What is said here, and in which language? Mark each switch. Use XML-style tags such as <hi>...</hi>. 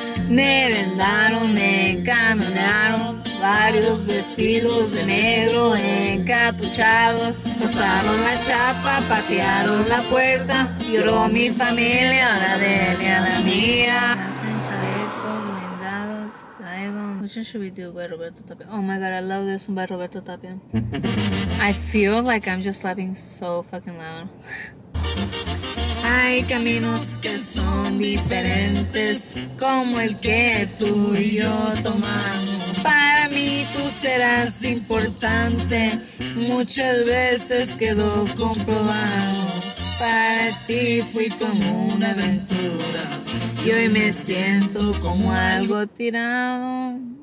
<es>Me vendaron, me encaminaron, varios vestidos de negro encapuchados. Pasaron la chapa, patearon la puerta, lloró mi familia, la de mi a la mía. Hacen chaleco, vendados, traigan.</es> <en>Which one should we do by Roberto Tapia? Oh my God, I love this one by Roberto Tapia. I feel like I'm just slapping so fucking loud.</en> <es>Hay caminos que son diferentes, como el que tú y yo tomamos. Para mí tú serás importante, muchas veces quedó comprobado. Para ti fui como una aventura, y hoy me siento como algo tirado.</es>